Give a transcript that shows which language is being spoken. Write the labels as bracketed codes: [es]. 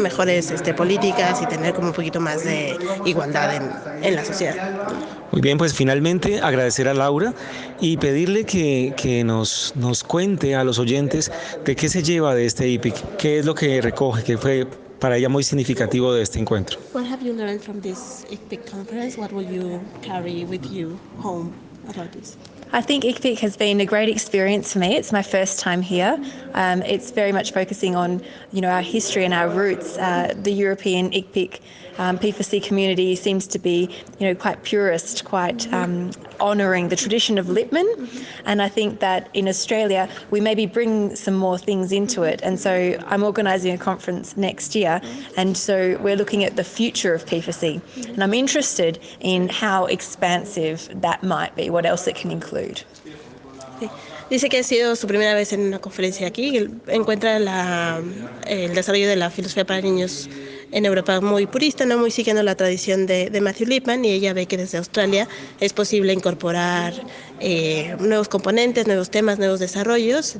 [es] Mejores políticas, y tener como un poquito más de igualdad en la sociedad. Muy bien, pues finalmente agradecer a Laura y pedirle que nos cuente a los oyentes de qué se lleva de este IPIC, qué es lo que recoge, qué fue para ella muy significativo de este encuentro. [en] What have you learned from this IPIC conference? What will you carry with you home? about this? I think ICFIC has been a great experience for me. It's my first time here. It's very much focusing on, you know, our history and our roots. The European ICFIC P4C community seems to be, you know, quite purist, quite honouring the tradition of Lippmann. And I think that in Australia, we maybe bring some more things into it. And so I'm organising a conference next year. And so we're looking at the future of P4C. And I'm interested in how expansive that might be, what else it can include. [es] Dice que ha sido su primera vez en una conferencia aquí. Encuentra la, el desarrollo de la filosofía para niños en Europa muy purista, no muy siguiendo la tradición de Matthew Lippmann, y ella ve que desde Australia es posible incorporar nuevos componentes, nuevos temas, nuevos desarrollos.